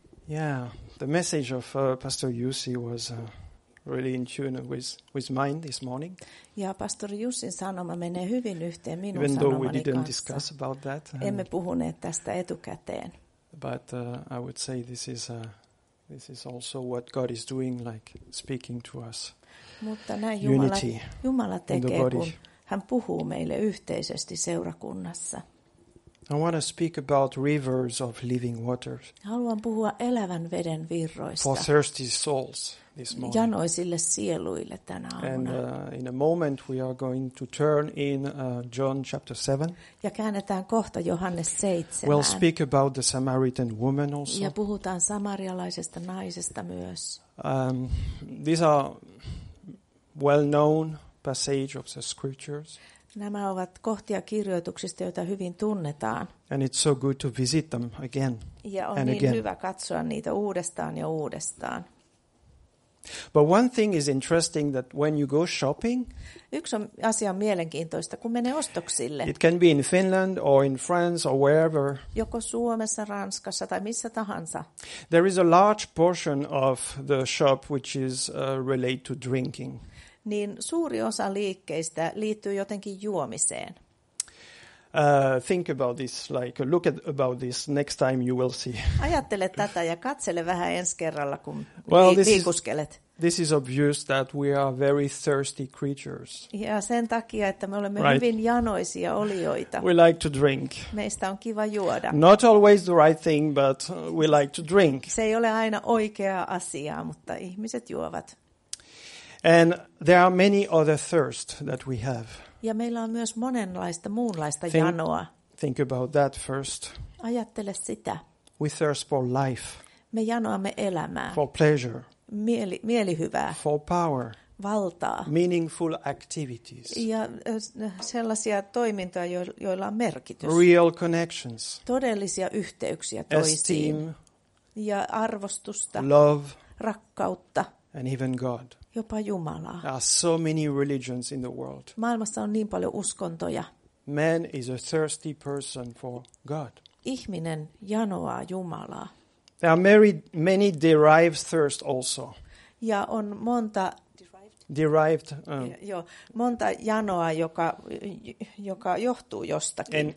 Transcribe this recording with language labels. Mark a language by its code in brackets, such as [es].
[en] Yeah, the message of Pastor Jussi was really in tune with mine this morning. [fi] Ja Pastor Jussin sanoma menee hyvin yhteen minun sanomani kanssa. [en] Even though we didn't [fi] kanssa. [en] Discuss about that. [fi] Emme puhuneet tästä etukäteen. [en] But I would say this is also what God is doing, like speaking to us. [fi] Mutta näin Jumala tekee, kun hän puhuu meille yhteisesti seurakunnassa. [en] I want to speak about rivers of living waters. [fi] Haluan puhua elävän veden virroista. [en] For thirsty souls this morning. [fi] Janoisille sieluille tänä aamuna. [en] And in a moment we are going to turn in John chapter 7. [fi] Ja käännetään kohta Johannes 7. [en] We'll speak about the Samaritan woman also. [fi] Ja puhutaan samarialaisesta naisesta myös. [en] These are well-known passages of the scriptures. [fi] Nämä ovat kohtia kirjoituksista, joita hyvin tunnetaan. [en] And it's so good to visit them again. [fi] Ja on [en] and [fi] niin [en] again. [fi] Hyvä katsoa niitä uudestaan ja uudestaan. [en] But one thing is interesting that when you go shopping, [fi] yksi on asia on mielenkiintoista, kun menee ostoksille. [en] It can be in Finland or in France or wherever. [fi] Joko Suomessa, Ranskassa tai missä tahansa. [en] There is a large portion of the shop which is related to drinking. [fi] Niin suuri osa liikkeistä liittyy jotenkin juomiseen. [en] Think about this, like look at about this next time you will see. [fi] Ajattele tätä ja katsele vähän ensi kerralla, kun liikuskelet. [en] This is obvious that we are very thirsty creatures. [fi] Ja sen takia, että me olemme right. Hyvin janoisia olioita. [en] We like to drink. [fi] Meistä on kiva juoda. [en] Not always the right thing, but we like to drink. [fi] Se ei ole aina oikea asia, mutta ihmiset juovat. [en] And there are many other thirsts that we have. [fi] Ja meillä on myös monenlaista muunlaista janoa. [en] Think about that first. [fi] Ajattele sitä. [en] We thirst for life. [fi] Me janoamme elämää. [en] For pleasure. [fi] Mielihyvää. [en] For power. [fi] Valtaa. [en] Meaningful activities. [fi] Ja sellaisia toimintoja, joilla on merkitys. [en] Real connections. [fi] Todellisia yhteyksiä toisiin. [en] Esteem. [fi] Ja arvostusta. [en] Love. [fi] Rakkautta. [en] And even God. [fi] Jopa Jumalaa. [en] There are so many religions in the world. [fi] Maailmassa on niin paljon uskontoja. [en] Man is a thirsty person for God. [fi] Ihminen janoaa Jumalaa. [en] There are many derived thirst also. [fi] Ja on monta [en] derived [fi] janoa, joka johtuu jostakin.